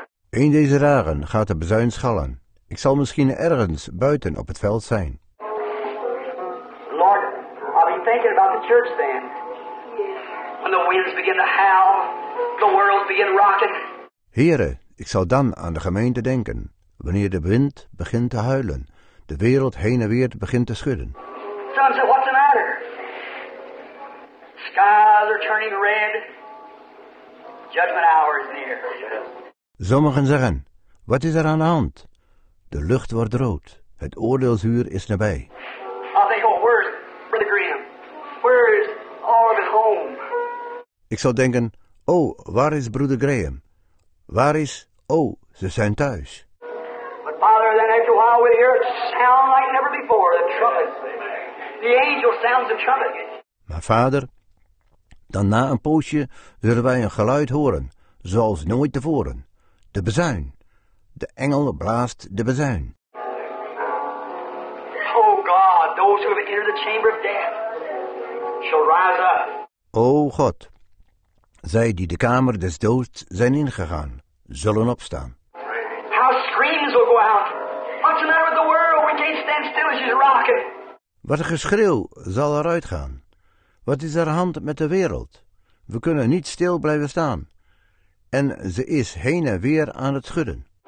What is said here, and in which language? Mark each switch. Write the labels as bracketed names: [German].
[Dutch] Een deze dagen gaat de bazuin schallen. Ik zal misschien ergens buiten op het veld zijn. [English] Lord, I'll be thinking about the church then. When the winds begin to howl, the world begin rocking. [Dutch] Heere, ik zal dan aan de gemeente denken, wanneer de wind begint te huilen, de wereld heen en weer begint te schudden. [English] Some say, what's the matter? Skies are turning red. Judgment hour is near. [Dutch] Sommigen zeggen, wat is er aan de hand? De lucht wordt rood. Het oordeelsuur is nabij. [English] I'll think, oh, where's Brother Graham? Where's all of his home? [Dutch] Ik zal denken, oh, waar is Broeder Graham? Waar is, oh, ze zijn thuis. [English] But Father, then after a while we hear it sound like never before, the trumpet. The angel sounds the trumpet. [Dutch] Maar Vader, dan na een poosje zullen wij een geluid horen, zoals nooit tevoren. De bazuin. De engel blaast de bazuin. [English] Oh God, those who have entered the chamber of death shall rise up. [Dutch] O God, zij die de kamer des doods zijn ingegaan, zullen opstaan. [English] How screams will go out. What's the matter with the world? We can't stand still as you're rocking. [Dutch] Wat een geschreeuw zal eruit gaan. Wat is er hand met de wereld? We kunnen niet stil blijven staan. En ze is heen en weer aan het schudden.